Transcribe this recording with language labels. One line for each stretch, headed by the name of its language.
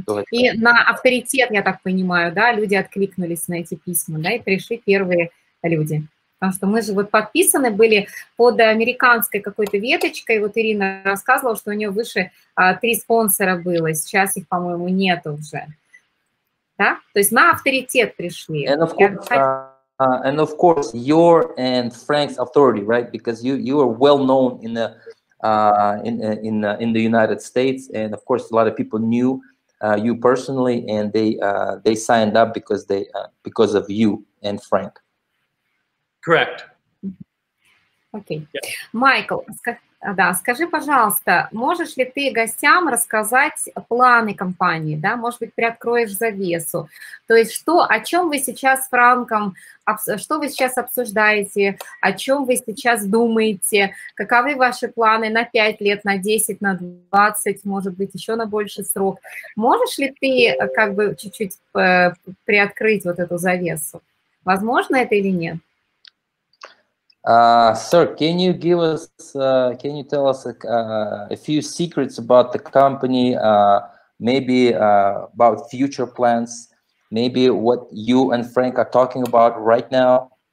Russian: И на авторитет, я так понимаю, да, люди откликнулись на эти письма, да, и пришли первые люди. Потому что мы же вот подписаны были под американской какой-то веточкой. Вот Ирина рассказывала, что у нее выше 3 спонсора было. Сейчас их, по-моему, нет уже. Да? То есть на авторитет пришли.
English: And of course, your and Frank's authority, right? Because you are well known in the United States, and of course, a lot of people knew you personally, and they signed up because of you and Frank. Correct. Okay. Yeah.
Russian: Michael, скажи, пожалуйста, можешь ли ты гостям рассказать планы компании, да? Может быть, приоткроешь завесу? То есть что, о чем вы сейчас с Франком, что вы сейчас обсуждаете, о чем вы сейчас думаете, каковы ваши планы на 5 лет, на 10, на 20, может быть, еще на больший срок? Можешь ли ты как бы чуть-чуть приоткрыть вот эту завесу? Возможно это или нет?
English: Sir, can you give us, can you tell us a few secrets about the company, maybe about future plans, maybe what you and Frank are talking about right now?